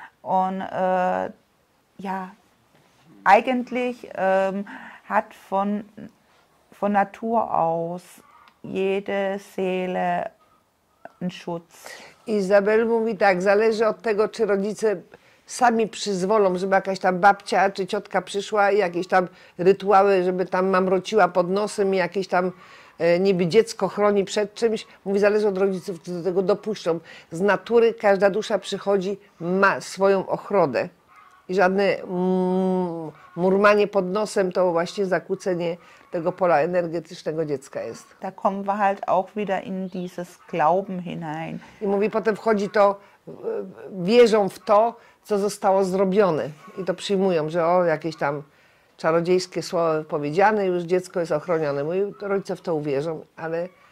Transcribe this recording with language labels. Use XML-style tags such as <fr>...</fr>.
<de>Und ja, eigentlich hat von Natur aus jede Seele einen Schutz.</de> <pl>Isabel mówi tak, zależy od tego, czy rodzice sami przyzwolą, żeby jakaś tam babcia czy ciotka przyszła i jakieś tam rytuały, żeby tam mamrociła pod nosem i jakieś tam niby dziecko chroni przed czymś. Mówi, zależy od rodziców, którzy do tego dopuszczą. Z natury każda dusza przychodzi, ma swoją ochronę. I żadne murmanie pod nosem to właśnie zakłócenie tego pola energetycznego dziecka jest.</pl> <de>Da kommen wir halt auch wieder in dieses Glauben hinein.</de> <pl>I mówi, potem wchodzi to, wierzą w to, co zostało zrobione i to przyjmują, że o, jakieś tam czarodziejskie słowo powiedziane, już dziecko jest ochronione. Mówi, rodzice w to uwierzą, ale</pl>